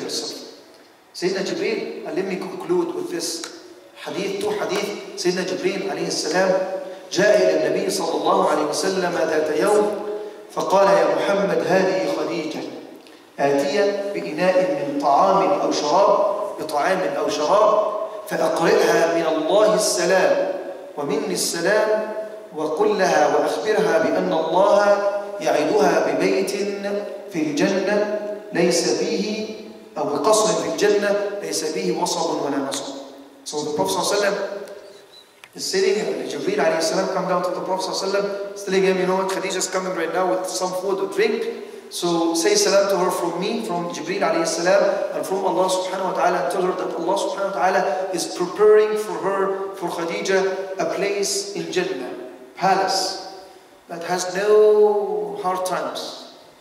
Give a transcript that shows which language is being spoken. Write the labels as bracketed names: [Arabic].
[English] Sayyidina Jibreel, and let me conclude with this hadith, two hadith. [Arabic] Sayyidina Jibreel alayhi salam, جاء إلى النبي صلى الله عليه وسلم ذات يوم فقال يا محمد هذه خديجة آتية بإناء من طعام أو شراب بطعام أو شراب فأقرئها من الله السلام ومني السلام وقل لها وأخبرها بأن الله يعدها ببيت في الجنة ليس فيه أو بقصر في الجنة ليس فيه وصب ولا نصب. [English] So the Prophet [Arabic] صلى الله عليه وسلم [English] is sitting, and Jibreel alayhi salam come down to the Prophet sallallahu alayhi wa sallam, telling him, you know what, Khadijah is coming right now with some food or drink, so say salam to her from me, from Jibreel alayhi salam, and from Allah subhanahu wa ta'ala, and tell her that Allah subhanahu wa ta'ala is preparing for her, for Khadijah, a place in Jannah, palace, that has no hard times.